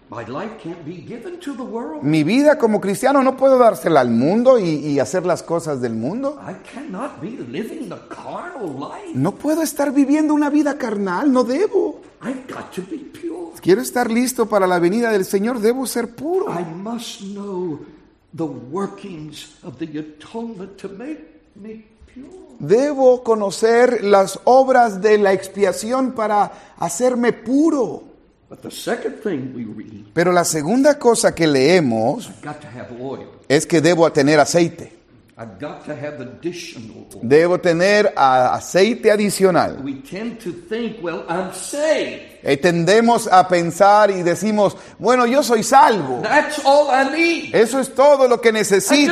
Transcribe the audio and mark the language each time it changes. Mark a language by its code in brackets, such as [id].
[en] My life can't be given to the world. [es] Mi vida como cristiano no puedo dársela al mundo y hacer las cosas del mundo. [en] I cannot be living the carnal life. [es] No puedo estar viviendo una vida carnal, no debo. [en] I've got to be pure. [es] Quiero estar listo para la venida del Señor, debo ser puro. [en] I must know the workings of the atonement to make me pure. [es] Debo conocer las obras de la expiación para hacerme puro. [en] But the second thing we read, [es] pero la segunda cosa que leemos es que debo tener aceite. [en] I've got to have additional oil. [es] Debo tener aceite adicional. [en] We tend to think, well, I'm saved. [es] Tendemos a pensar y decimos, bueno, yo soy salvo. [en] That's all I need. [es] Eso es todo lo que necesito.